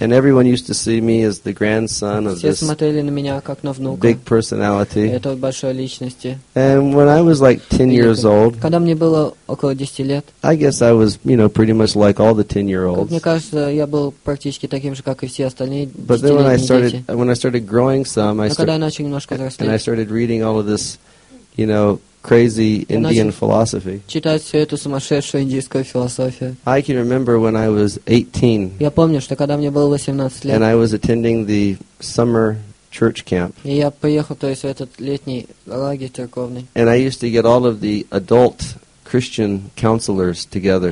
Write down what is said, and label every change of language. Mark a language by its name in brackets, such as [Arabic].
[English] And everyone used to see me as the grandson of this. [Russian] Все смотрели на меня как на внука. [English] Big personality. [Russian] Этой большой личности. [English] And when I was like 10 years old. [Russian] Когда мне было около 10 лет. [English] I guess I was, you know, pretty much like all the 10-year-olds. [Russian] Мне кажется, я был практически таким же, как и все остальные дети. [English] But then when I started growing some, And I started reading all of this, you know, crazy Indian philosophy. [Russian] Читать всю эту сумасшедшую индийскую философию. [English] I can remember when I was 18. [Russian] Я помню, что когда мне было 18 лет. [English] And I was attending the summer church camp. [Russian] И я поехал, то есть, в этот летний лагерь церковный. [English] And I used to get all of the adult Christian counselors together.